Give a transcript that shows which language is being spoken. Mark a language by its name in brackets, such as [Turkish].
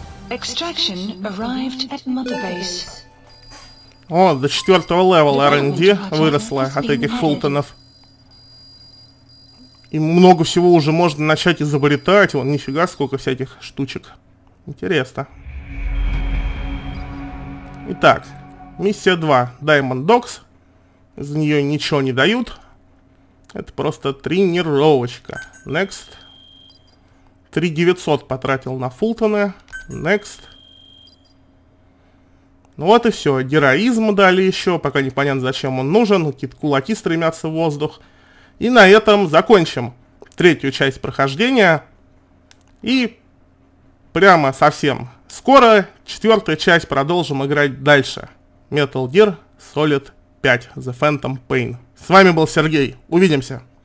[English] Extraction arrived at mother base. [Russian] О, до 4-го левела R&D выросла от этих фултонов. И много всего уже можно начать изобретать. Вон, нифига, сколько всяких штучек. Интересно. Итак, миссия 2. Diamond Dogs. Из нее ничего не дают. Это просто тренировочка. Next. 3900 потратил на фултоны. Next. Ну вот и все. Героизм дали еще. Пока непонятно, зачем он нужен. Какие-то кулаки стремятся в воздух. И на этом закончим третью часть прохождения. И прямо совсем скоро четвертая часть, продолжим играть дальше. Metal Gear Solid 5. The Phantom Pain. С вами был Сергей. Увидимся.